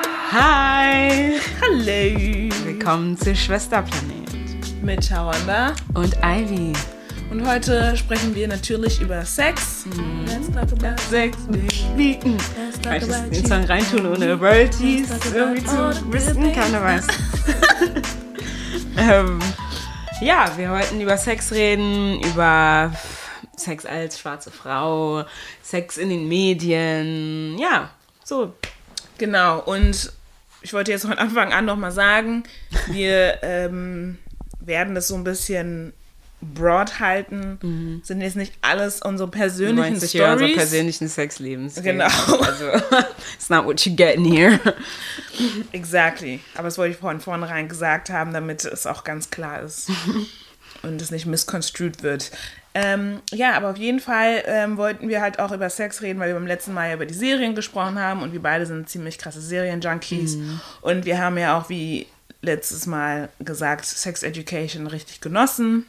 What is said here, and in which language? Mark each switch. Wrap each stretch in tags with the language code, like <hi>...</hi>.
<de>Hi! Hallo! Willkommen zu Schwesterplanet. Mit Sharonda und Ivy. Und heute sprechen wir natürlich über Sex.</de> <en>Let's talk about Sex. Let's talk about Sex. Let's talk about Sex. Let's talk about Sex. Let's talk about Sex.</en> <de>Ja, wir wollten über Sex reden, über Sex als schwarze Frau, Sex in den Medien, ja, so. Genau, und ich wollte jetzt von Anfang an nochmal sagen, wir werden das so ein bisschen broad halten, sind jetzt nicht alles unsere persönlichen Stories. Du meinst sicher unsere persönlichen Sexlebens. Genau.</de> <en>Also, it's not what you're getting here. Exactly.</en> <de>Aber das wollte ich von vornherein gesagt haben, damit es auch ganz klar ist und es nicht misconstrued wird. Ja, aber auf jeden Fall wollten wir halt auch über Sex reden, weil wir beim letzten Mal ja über die Serien gesprochen haben und wir beide sind ziemlich krasse Serienjunkies. Und wir haben ja auch wie letztes Mal gesagt, Sex Education richtig genossen.</de>